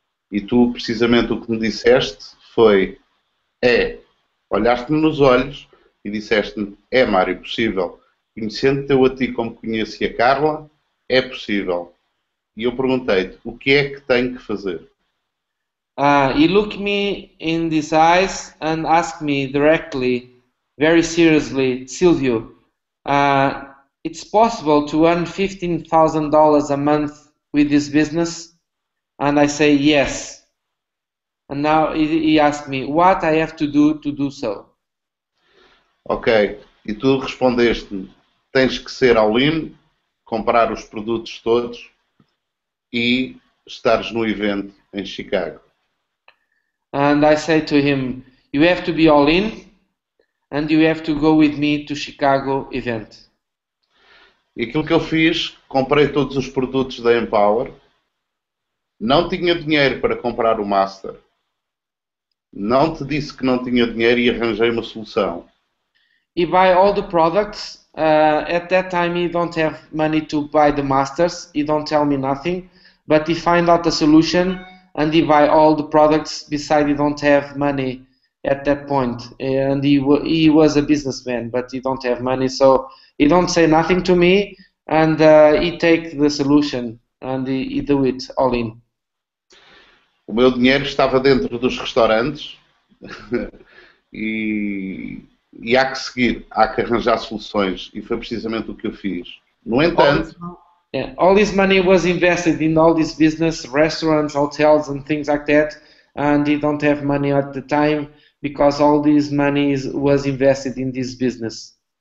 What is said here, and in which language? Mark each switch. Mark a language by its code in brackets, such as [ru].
[pt] E tu, precisamente, o que me disseste foi, olhaste-me nos olhos e disseste-me, Mário, possível. Conhecendo-te eu a ti como conheci a Carla, é possível. E eu perguntei-te, o que é que tenho que fazer? [en] He looked me in these eyes and asked me directly, very seriously, Silvio, it's possible to earn $15,000 a month with this business? And I say, yes. And now he asked me, what I have to do so? [pt] Ok, e tu respondeste-me, tens que ser all-in, comprar os produtos todos e estares no evento em Chicago. [en] And I say to him, you have to be all in and you have to go with me to Chicago event. [pt] E aquilo que eu fiz, comprei todos os produtos da Empower. Não tinha dinheiro para comprar o Master. Não te disse que não tinha dinheiro e arranjei uma solução. [en] He buy all the products. At that time he don't have money to buy the Masters. He don't tell me nothing. But he find out a solution. And he buy all the products, besides he don't have money at that point. And he was a businessman, but he don't have money. So he don't say nothing to me, and he take the solution, and he do it all in. [pt] O meu dinheiro estava dentro dos restaurantes, e há que seguir, há que arranjar soluções, e foi precisamente o que eu fiz. No entanto... [en] Yeah. All his money was invested in all this business, restaurants, hotels and things like that, and he don't have money at the time because all this money was invested in this business.